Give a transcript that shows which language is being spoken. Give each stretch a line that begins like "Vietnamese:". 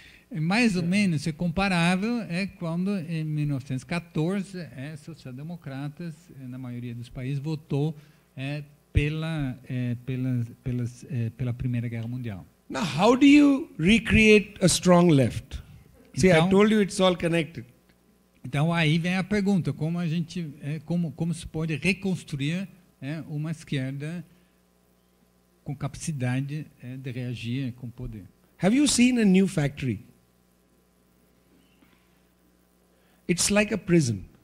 Portuguese: Mais ou menos é comparável quando em 1914 Social Democratas na maioria dos países votou pela Primeira Guerra Mundial.
English: Now, how do you recreate a strong left? See, então, I told you it's all connected.
Portuguese: Então aí vem a pergunta, como se pode reconstruir uma esquerda com capacidade de reagir com poder.
English: Have you seen a new factory? It's like a prison.